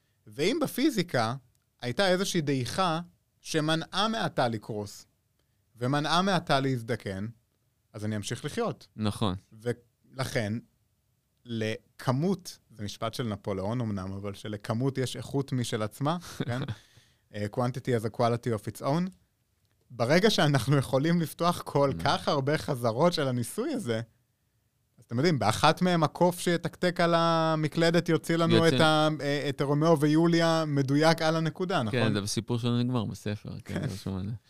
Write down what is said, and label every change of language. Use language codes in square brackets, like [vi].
[he] ואם בפיזיקה הייתה איזושהי דעיכה שמנעה מעטה לקרוס, ומנעה מעטה להזדקן, אז אני אמשיך לחיות. נכון. ולכן, לכמות... זה משפט של נפוליאון אמנם, אבל שלכמות יש איכות משל עצמה, כן? [en] Quantity is a quality of its own. [he] ברגע שאנחנו יכולים לפתוח כל כך הרבה חזרות של הניסוי הזה, אז אתם יודעים, באחת מהם הקוף שיתקתק על המקלדת יוציא לנו את רומאו ויוליה מדויק על הנקודה, נכון? כן, זה בסיפור שלנו נגמר בספר, כן, זה שומע לזה.